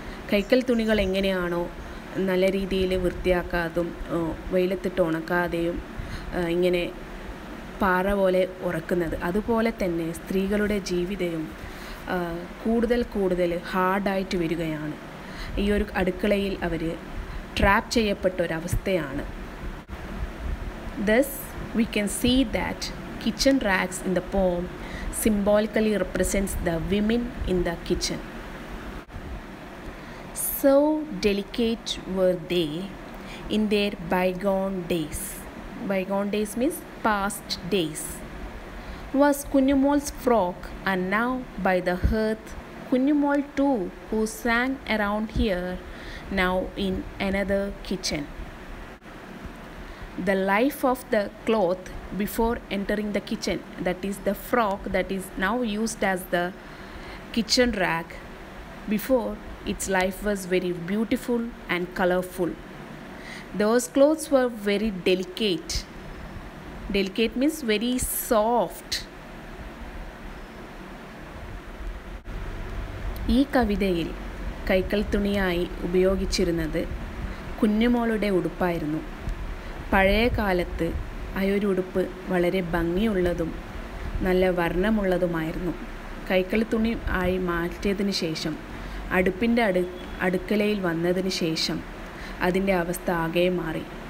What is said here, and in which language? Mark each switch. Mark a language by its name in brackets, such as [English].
[Malayalam] കൈക്കൽ തുണികൾ എങ്ങനെയാണോ നല്ല രീതിയിൽ വൃത്തിയാക്കാതും വെയിലത്തിട്ട് ഉണക്കാതെയും ഇങ്ങനെ പാറ പോലെ ഉറക്കുന്നത്, അതുപോലെ തന്നെ സ്ത്രീകളുടെ ജീവിതവും കൂടുതൽ കൂടുതൽ ഹാർഡായിട്ട് വരികയാണ്. ഈ ഒരു അടുക്കളയിൽ അവർ ട്രാപ്പ് ചെയ്യപ്പെട്ട ഒരവസ്ഥയാണ്. [English] Thus, we can see that kitchen rags in the poem symbolically represents the women in the kitchen. So delicate were they in their bygone days. Bygone days means past days. Was Kunyumol's frock, and now by the hearth, Kunyumol too, who sang around here, now in another kitchen. The life of the cloth before entering the kitchen, that is the frock that is now used as the kitchen rag, before its life was very beautiful and colorful. Those clothes were very delicate. Delicate means very soft. [Malayalam] ഈ കവിതയിൽ കൈക്കൽ തുണിയായി ഉപയോഗിച്ചിരുന്നത് കുഞ്ഞുമോളുടെ ഉടുപ്പായിരുന്നു. പഴയ കാലത്ത് അയൊരുടുപ്പ് വളരെ ഭംഗിയുള്ളതും നല്ല വർണ്ണമുള്ളതുമായിരുന്നു. കൈക്കളി തുണി ആയി മാറ്റിയതിന് ശേഷം അടുപ്പിൻ്റെ അടുക്കളയിൽ വന്നതിന് ശേഷം അതിൻ്റെ അവസ്ഥ ആകെ മാറി.